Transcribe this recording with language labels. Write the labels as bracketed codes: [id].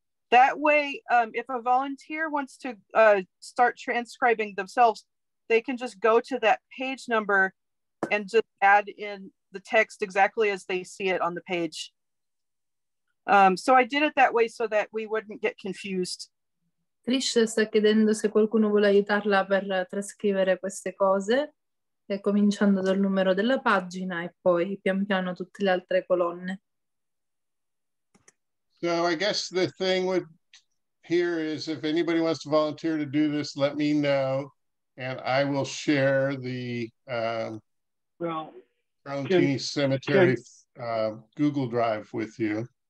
[en] That way, if a volunteer wants to start transcribing themselves, they can just go to that page number and just add in the text exactly as they see it on the page. So I did it that way so that we wouldn't get confused. [it] Trish sta chiedendo se qualcuno vuole aiutarla per trascrivere queste cose, cominciando dal numero della pagina e poi pian piano tutte le altre colonne. [en] So I guess the thing here is if anybody wants to volunteer to do this, let me know, and I will share the Carlentini Cemetery Google Drive with you.